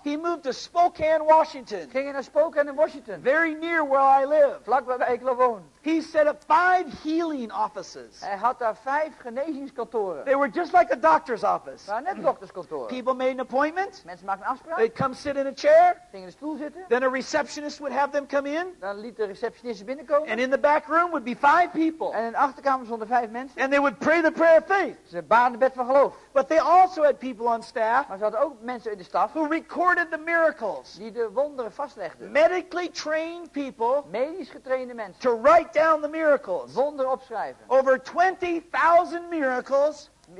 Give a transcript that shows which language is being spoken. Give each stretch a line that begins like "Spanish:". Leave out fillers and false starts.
English: He moved to Spokane, Washington.
Dutch: Ging naar Spokane in Washington.
English: Very near where I live.
Dutch: Vlak waar ik woon.
English: He set up 5 healing offices.
Dutch: Hij had daar 5 genezingskantoren.
English: They were just like a doctor's office.
Dutch: Waar net dokterskantoren.
English: People made an appointment.
Dutch: Mensen maakten afspraak.
English: They'd come sit in a chair.
Dutch: Ging in een stoel zitten.
English: Then a receptionist would have them come in.
Dutch: Dan liet de receptionist binnenkomen.
English: And in the back room would be 5 people.
Dutch: En in de achterkamer stonden 5 mensen.
English: And they would pray the prayer of faith.
Dutch: Ze baden het bed van geloof.
English: But they also had people on staff.
Dutch: Maar ze hadden ook mensen in de staf.
English: Who recorded the miracles.
Dutch: Die de wonderen vastlegden.
English: Medically trained people.
Dutch: Medisch getrainde mensen.
English: To write down the miracles.
Dutch: Wonder opschrijven.
English: Over 20,000 miracles.